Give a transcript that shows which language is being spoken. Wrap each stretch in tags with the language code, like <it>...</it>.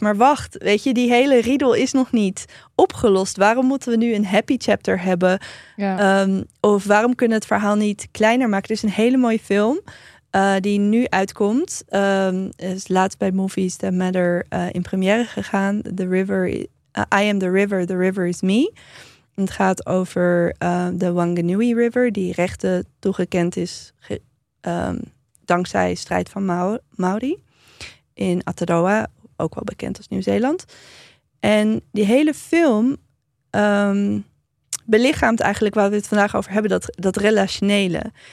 <nl>Maar wacht, weet je, die hele riedel is nog niet opgelost. Waarom moeten we nu een</nl> <en>happy chapter</en> <nl>hebben? Ja. Of waarom kunnen we het verhaal niet kleiner maken? Het is een hele mooie film die nu uitkomt. Is laatst bij Movies That Matter in première gegaan.</nl> <en>I am the river, the river is me.</en> <nl>Het gaat over de Whanganui River, die rechten toegekend is dankzij strijd van Maori in Aotearoa, ook wel bekend als Nieuw-Zeeland. En die hele film belichaamt eigenlijk waar we het vandaag over hebben, dat relationele.</nl>